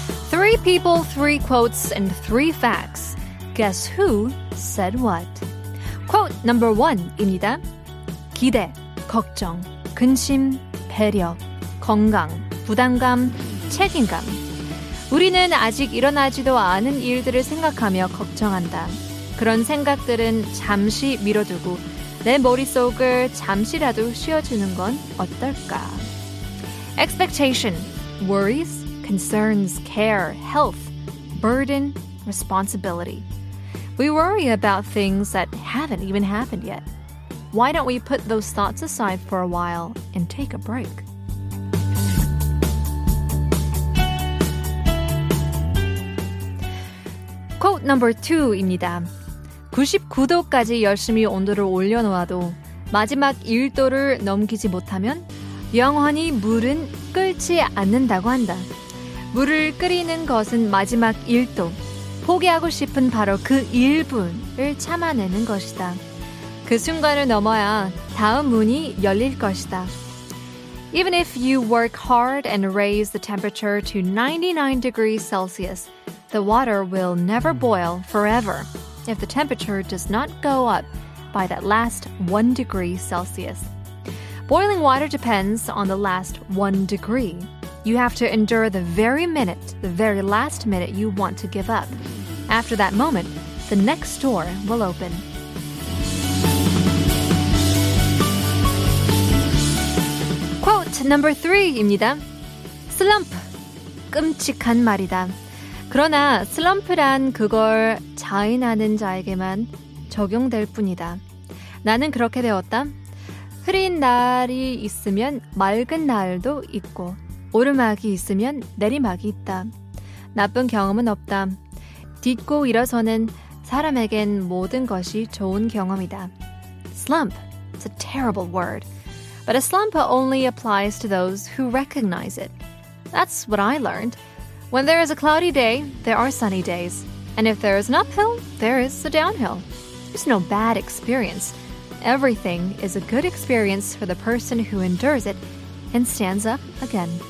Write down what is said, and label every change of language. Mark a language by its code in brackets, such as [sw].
[en] Three people, three quotes, and three facts. Guess who said what? Quote number one [ko] 입니다. 기대, 걱정, 근심, 배려, 건강, 부담감, 책임감. 우리는 아직 일어나지도 않은 일들을 생각하며 걱정한다. 그런 생각들은 잠시 미뤄두고 내 머릿속을 잠시라도 쉬어주는 건 어떨까? [en] Expectation, worries, concerns, care, health, burden, responsibility. We worry about things that haven't even happened yet. Why don't we put those thoughts aside for a while and take a break? [ko] 2입니다. 99도까지 열심히 온도를 올려놓아도 마지막 1도를 넘기지 못하면 영원히 물은 끓지 않는다고 한다. 물을 끓이는 것은 마지막 1도, 포기하고 싶은 바로 그 1분을 참아내는 것이다. 그 순간을 넘어야 다음 문이 열릴 것이다. [en] Even if you work hard and raise the temperature to 99 degrees Celsius, the water will never boil forever if the temperature does not go up by that last 1 degree Celsius. Boiling water depends on the last 1 degree. You have to endure the very minute, the very last minute you want to give up. After that moment, the next door will open. 코트 넘버 3 [ko] 입니다. 슬럼프, 끔찍한 말이다. 그러나 슬럼프란 그걸 자인하는 자에게만 적용될 뿐이다. 나는 그렇게 되었다. 흐린 날이 있으면 맑은 날도 있고 오르막이 있으면 내리막이 있다. 나쁜 경험은 없다. 딛고 일어서는 사람에겐 모든 것이 좋은 경험이다. [en] Slump. It's a terrible word. But a slump only applies to those who recognize it. That's what I learned. When there is a cloudy day, there are sunny days. And if there is an uphill, there is a downhill. There's no bad experience. Everything is a good experience for the person who endures it and stands up again.